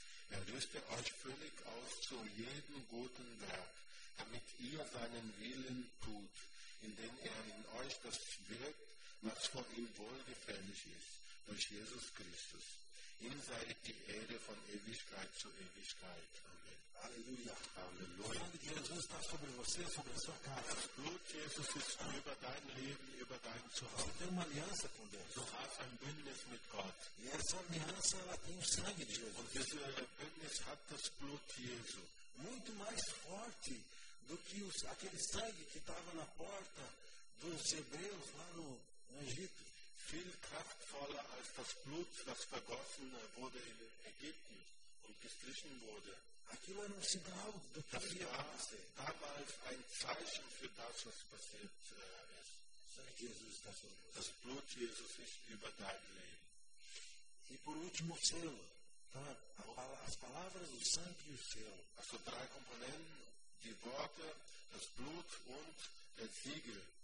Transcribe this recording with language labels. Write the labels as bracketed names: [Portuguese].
[German] Er löste euch völlig aus zu jedem guten Werk, damit ihr seinen Willen tut, indem er in euch das wirkt, was vor ihm wohlgefällig ist, durch Jesus Christus. Ihm sei die Ehre von Ewigkeit zu Ewigkeit. Amen. Halleluja. Halleluja. [Portuguese] O sangue de Jesus está sobre você, sobre a sua casa. [German] O Blut Jesus ist über dein Leben, über dein Zuhause. [Portuguese] Você tem uma aliança com Deus. [German] Du hast ein Bündnis mit Gott. [Portuguese] E essa aliança, ela tem o sangue de Jesus. [German] Und diese Bündnis hat das Blut Jesu. [Portuguese] Muito mais forte do que aquele sangue que estava na porta dos hebreus lá no Egito. [German] Viel kraftvoller als das Blut, das vergossen wurde in Ägypten und gestrichen wurde. [Portuguese] Aquilo era um sinal do que ia acontecer. [German] Damals ein Zeichen für das, was passiert ist. [Portuguese] Sangue Jesus está sobre você. [German] Das Blut Jesus ist über dein Leben. [Portuguese] E por último, o selo. As palavras, o sangue e o selo. [German] As drei Komponenten, die Worte, das Blut und der Siegel.